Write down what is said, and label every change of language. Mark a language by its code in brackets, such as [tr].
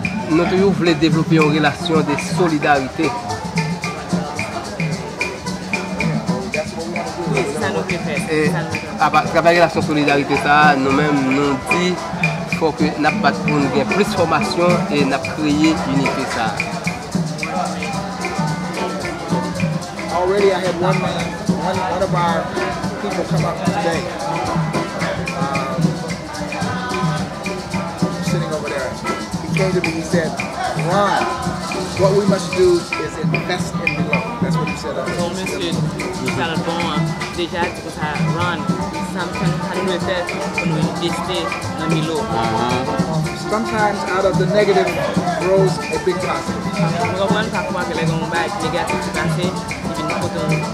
[fr] nous toujours voulons développer une relation de solidarité. Et à travers la solidarité, ça, nous-mêmes, nous disons qu'il faut que nous ayons plus de formation et nous avons créé l'unité. [en] Already, I had one of our people come up today. Sitting over there. He came to me, he said, Ron, what we must do is invest in the love. That's what he said. So, [fr] monsieur, nous allons déjà dire ça, [en] Ron, something had to be said when we invested in the love. Sometimes out of the negative grows a big positive. [fr] Je vais vous dire que les gens vont être négatifs, c'est passé.